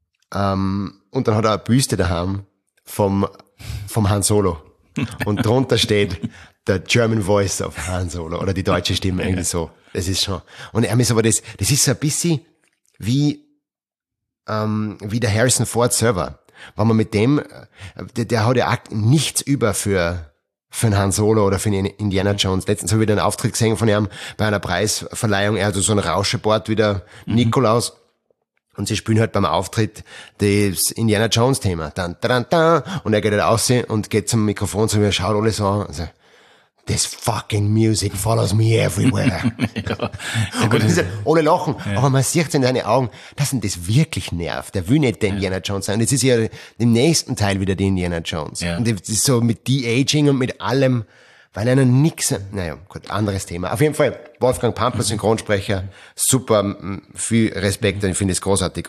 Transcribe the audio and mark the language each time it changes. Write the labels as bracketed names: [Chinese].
[German] Und dann hat er eine Büste daheim vom Han Solo und drunter steht der [English] German Voice of Han Solo [German] oder die deutsche Stimme, irgendwie so, das ist schon, und er ist aber das ist so ein bisschen wie der Harrison Ford selber, wenn man mit dem, der hat ja auch nichts über für einen Han Solo oder für einen Indiana Jones. Letztens habe ich wieder einen Auftritt gesehen von ihm bei einer Preisverleihung. Er hat so ein Rauschebord wie der Nikolaus. Und sie spielen halt beim Auftritt das Indiana Jones Thema. Dann, dann, dann. Und er geht halt raus und geht zum Mikrofon, so wie er schaut alle so an. [English] So, this fucking music follows me everywhere. [German] Und ist halt ohne Lachen. Ja. Aber man sieht es in seinen Augen, dass ihn das wirklich nervt. Der will nicht der Indiana Jones sein. Und jetzt ist ja im nächsten Teil wieder die Indiana Jones. Ja. Und das ist so mit De-Aging und mit allem, weil einer nix, naja, gut, anderes Thema. Auf jeden Fall, Wolfgang Pampel, Synchronsprecher, super, viel Respekt, und ich finde es großartig.